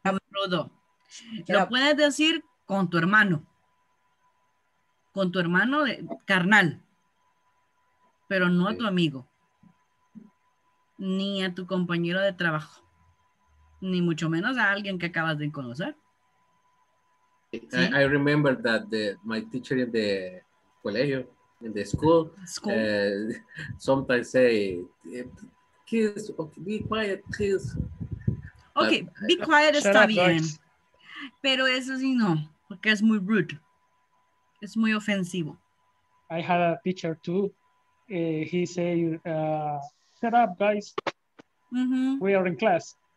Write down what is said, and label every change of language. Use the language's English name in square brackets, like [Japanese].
[Spanish] Rudo. Lo puedes decir con tu hermano. Con tu hermano de, carnal. Pero no a tu amigo. Ni a tu compañero de trabajo. Ni mucho menos a alguien que acabas de conocer. ¿Sí? [English] I remember that my teacher in the colegio, in the school, sometimes say, kids, be quiet, please. [Spanish] Ok, [English] be quiet [Spanish] está bien, pero eso sí no, porque es muy rude, es muy ofensivo. [English] I had a teacher too, he said, shut up guys, we are in class.